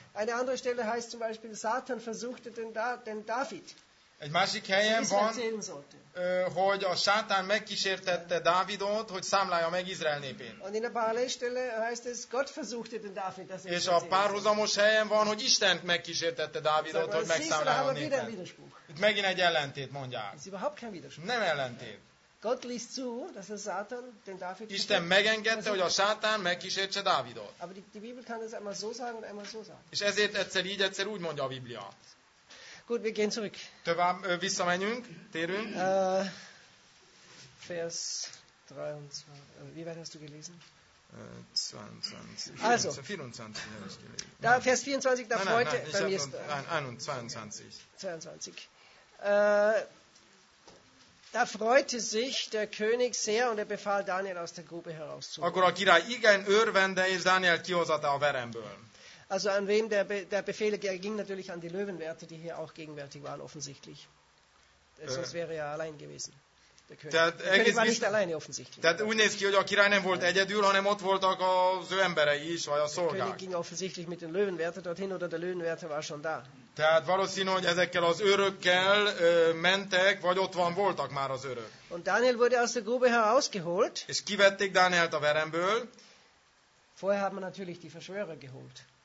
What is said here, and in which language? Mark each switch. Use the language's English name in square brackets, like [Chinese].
[German] Eine andere Stelle heißt zum Beispiel, Satan versuchte den David. [Hungarian] Egy másik helyen van, hogy a Sátán megkísértette Dávidot, hogy számlálja meg Izrael népén. [German] Und in der Parallelstelle heißt es, Gott versuchte den David. [Hungarian] És a párhuzamos helyen van, hogy Isten megkísértette Dávidot, hogy megszámlálja a népén. Itt megint egy ellentét mondják. Ez [German] überhaupt kein Widerspruch. [Hungarian] Nem ellentét. [German] Gott ließ zu, dass der Satan den David. [Hungarian] Isten megengedte, hogy a Sátán megkísértse Dávidot. [German] Aber die Bibel kann das einmal so sagen und einmal so sagen. [Hungarian] És ezért egyszer így, egyszer úgy mondja a Biblia. [German] Gut, wir gehen zurück. [Hungarian] Tovább, visszamenjünk, térünk. Vers 23. [German] Wie weit hast du gelesen? 22. Also, 24. Da, Vers 24, da freute bei mir ist. 22. 22. Da freute sich der König sehr und er befahl Daniel aus der Grube herauszuholen. [Hungarian] Akkor a király igen örvende, és Daniel kihozata a veremből. [German] Also an wem der Befehl ging natürlich an die Löwenwärter, die hier auch gegenwärtig waren offensichtlich. Das wäre ja allein gewesen. Der König war nicht alleine offensichtlich. [Hungarian] Tehát úgy néz ki, hogy a király nem volt egyedül, hanem ott voltak az ő emberei is, vagy a szolgák. [German] Der König ging offensichtlich mit den Löwenwärter dorthin oder der Löwenwärter war schon da. [Hungarian] Tehát valószínű, hogy ezekkel az örökkel mentek, vagy ott van voltak már az örök. [German] Und Daniel wurde aus der Grube herausgeholt. [Hungarian] És kivették Dánielt a veremből. [German] Vorher hat man natürlich die Verschwörer geholt.